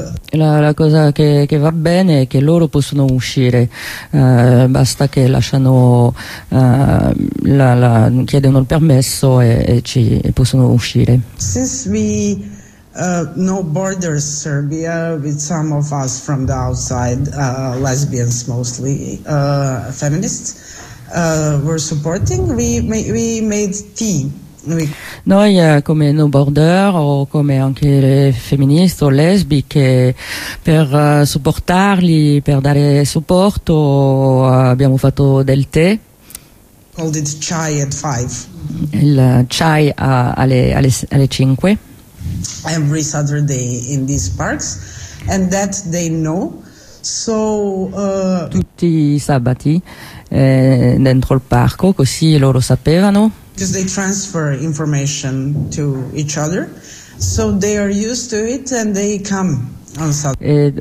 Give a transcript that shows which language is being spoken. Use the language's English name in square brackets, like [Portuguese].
[Italian] la cosa che va bene è che loro possono uscire, basta che lasciano chiedono il permesso e possono uscire. [English] Since we no borders Serbia, with some of us from the outside, lesbians mostly, feminists, were supporting. We made tea. [Italian] Noi come no border o come anche le femministe o lesbiche, per supportarli, per dare supporto, abbiamo fatto del tè. [English] Called it chai at five. [Italian] Il chai alle cinque. [English] Every Saturday in these parks, and that they know. So [Italian] tutti i sabati dentro il parco, così loro sapevano. [English] Because they transfer information to each other, so they are used to it, and they come on Saturday.